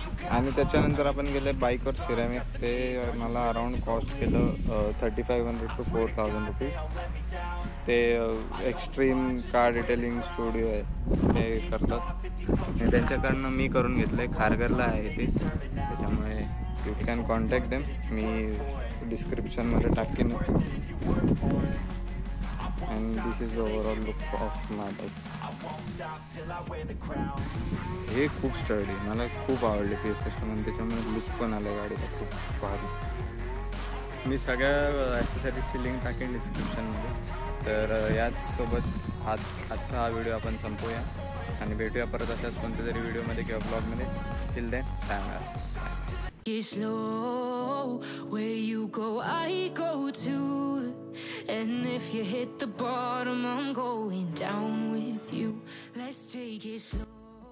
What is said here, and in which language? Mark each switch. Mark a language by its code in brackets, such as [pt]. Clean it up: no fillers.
[mr] आणि त्याच्यानंतर आपण गेले बाईकवर सिरॅमिक, ते मला अराउंड कॉस्ट केलं [en] 3500 to 4000 rupees. [mr] ते एक्स्ट्रीम कार डिटेलिंग स्टुडिओ आहे ते करतात, त्यांच्याकडनं मी करून घेतलं आहे, खारघरला आहे ते. त्याच्यामुळे [en] you can contact them, [mr] मी डिस्क्रिप्शनमध्ये टाकेन. [en] And this is the overall look of my bike. [mr] ये खूप स्टडी मला खूप आवडली पीएस कस्टम. त्याच्यामुळे लुक पण आला गाडीचा खूप भारी. मी सगळ्या ॲक्सेसरीजची लिंक टाकेन डिस्क्रिप्शनमध्ये. तर याचसोबत आजचा हा व्हिडिओ आपण संपूया आणि भेटूया परत अशाच कोणत्या तरी व्हिडिओमध्ये किंवा ब्लॉगमध्ये. [en] Till then सांगा. Slow, where you go, I go too. And if you hit the bottom, I'm going down with you. Let's take it slow.